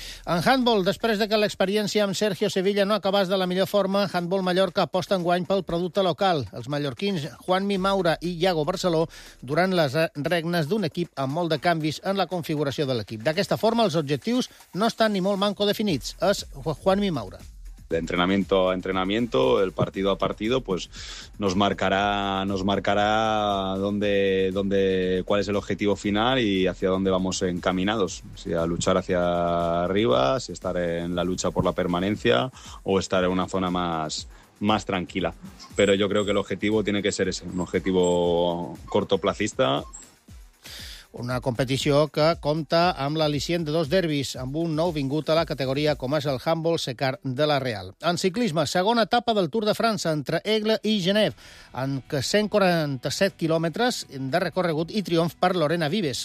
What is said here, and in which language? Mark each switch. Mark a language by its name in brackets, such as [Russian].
[Catalan] En handball, després de que l'experiència amb Sergio Sevilla no acabés de la millor forma, Handball Mallorca aposta enguany pel producte local. Els mallorquins Juanmi Maura i Iago Barceló durant les regnes d'un equip amb molt de canvis en la configuració de l'equip. D'aquesta forma, els objectius no estan ni molt manco definits. És Juanmi Maura. [Spanish] De entrenamiento a entrenamiento, el partido a partido, pues nos marcará dónde cuál es el objetivo final y hacia dónde vamos encaminados, si a luchar hacia arriba, si estar en la lucha por la permanencia o estar en una zona más tranquila. Pero yo creo que el objetivo tiene que ser ese, un objetivo cortoplacista. [Catalan] Una competició que compta amb l'al·licient de dos derbis, amb un nou vingut a la categoria, com és el Humboldt Secart de la Real. En ciclisme, segona etapa del Tour de França entre Aigle i Genève, amb 147 quilòmetres de recorregut i triomf per Lorena Vives.